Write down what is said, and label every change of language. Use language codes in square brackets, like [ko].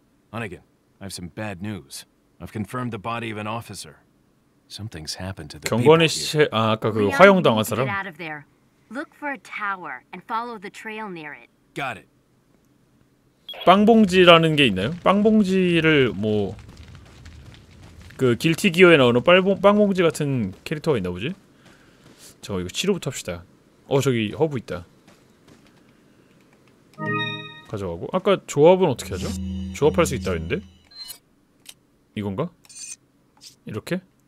[ko] 아니긴. [en] I have some bad news. I've confirmed the body of an officer. Something's happened to the [ko] 경관의 시체. 아, 아까 그 화형당한 사람. [en] Look for a tower and follow the trail near it. Got it. [ko] 빵봉지라는 게 있나요? 빵봉지를 뭐 그 길티 기어에 나오는 빵봉지 같은 캐릭터가 있나 보지? 저 이거 치료부터 합시다. 저기 허브 있다. 가져가고. 아까 조합은 어떻게 하죠? 조합할 수 있다 했는데. 이건가? 이렇게?